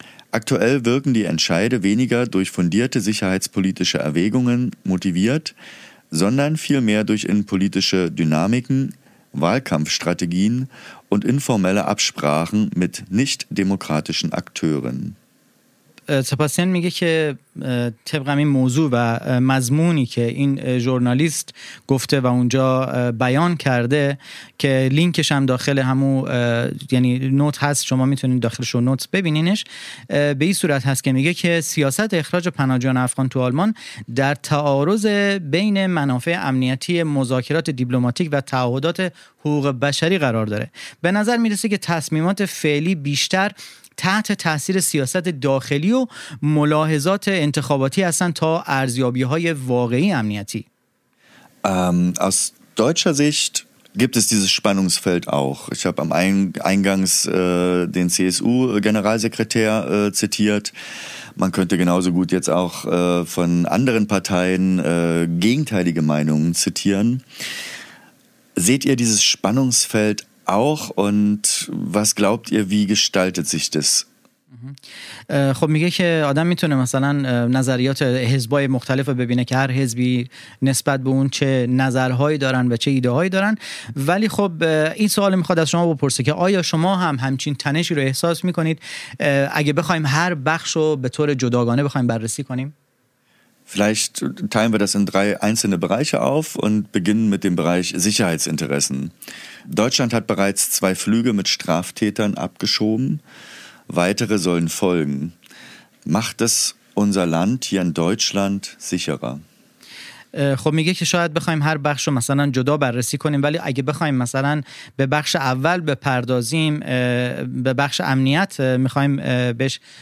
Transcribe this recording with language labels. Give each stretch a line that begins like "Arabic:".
German: Aktuell wirken die Entscheide weniger durch fundierte sicherheitspolitische Erwägungen motiviert, sondern vielmehr durch innenpolitische Dynamiken, Wahlkampfstrategien und informelle Absprachen mit nicht-demokratischen Akteuren.
Persian: سپاسین میگه که طبق همین موضوع و مضمونی که این ژورنالیست گفته و اونجا بیان کرده که لینکش هم داخل همو یعنی نوت هست، شما میتونید داخلش رو نوت ببینینش، به این صورت هست که میگه که سیاست اخراج پناهجویان افغان تو آلمان در تعارض بین منافع امنیتی مذاکرات دیپلماتیک و تعهدات حقوق بشری قرار داره. به نظر میرسه که تصمیمات فعلی بیشتر تحت تأثیر سیاست داخلی و ملاحظات انتخاباتی هستند تا ارزیابی‌های واقعی امنیتی.
German: Aus deutscher Sicht gibt es dieses Spannungsfeld auch. Ich habe am Eingangs den CSU-Generalsekretär zitiert. Man könnte genauso gut jetzt auch von anderen Parteien gegenteilige Meinungen zitieren. Seht ihr dieses Spannungsfeld auch und was glaubt ihr, wie gestaltet sich das?
Persian: خب میگه که آدم میتونه مثلا نظریات حزبای مختلف رو ببینه که هر حزبی نسبت به اون چه نظرهایی دارن و چه ایده هایی دارن، ولی خب این سوال میخواد از شما بپرسه که آیا شما هم همچین تنشی رو احساس میکنید اگه بخوایم هر بخش رو به طور جداگانه بخوایم بررسی کنیم؟
German: Vielleicht teilen wir das in drei einzelne Bereiche auf und beginnen mit dem Bereich Sicherheitsinteressen. Deutschland hat bereits zwei Flüge mit Straftätern abgeschoben. Weitere sollen folgen. Macht es unser Land hier in Deutschland sicherer?
Persian: خب میگه که شاید بخوایم هر بخش رو مثلا جدا بررسی کنیم، ولی اگه بخوایم مثلا به بخش اول بپردازیم، به بخش امنیت میخوایم بهش